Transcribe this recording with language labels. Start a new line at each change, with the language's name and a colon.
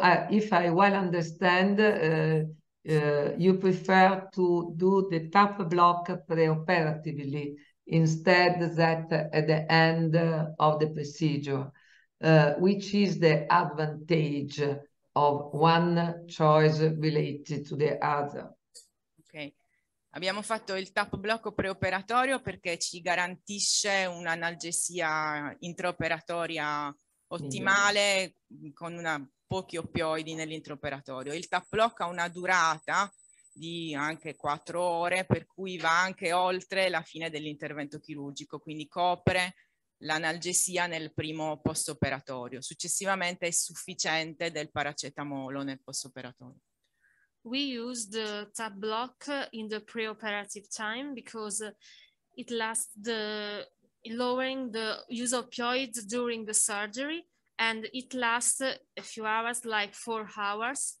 English: If I well understand, you prefer to do the tap block preoperatively instead that at the end of the procedure. Which is the advantage of one choice related to the other?
Italian: Okay, abbiamo fatto il tap block preoperatorio perché ci garantisce un'analgesia intraoperatoria ottimale con pochi oppioidi nell'intraoperatorio. Il tap block ha una durata di anche 4 ore, per cui va anche oltre la fine dell'intervento chirurgico, quindi copre l'analgesia nel primo postoperatorio. Successivamente è sufficiente del paracetamolo nel postoperatorio.
English: We use the tap block in the preoperative time because it lasts the lowering the use of opioids during the surgery. And it lasts a few hours, like 4 hours.